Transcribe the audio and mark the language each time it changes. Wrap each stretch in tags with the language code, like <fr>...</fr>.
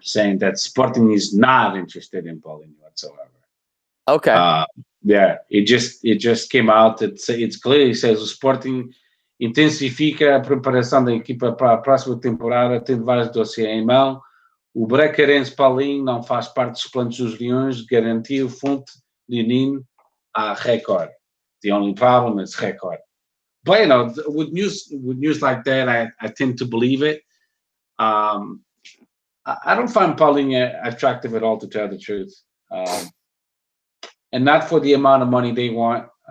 <en>saying that Sporting is not interested in Paulinho whatsoever. Okay. It just came out. It clearly says</en> <pt>Sporting intensifica a preparação da equipa para a próxima temporada, tendo vários dossiês em mão. O Brecarense Paulinho não faz parte dos planos dos Leões, garantiu o fundo de Nino a Record.</pt> <en>The only problem is Gekhard. But, you know, with news like that, I tend to believe it. I don't find Paulinho attractive at all, to tell the truth. And not for the amount of money they want.</en>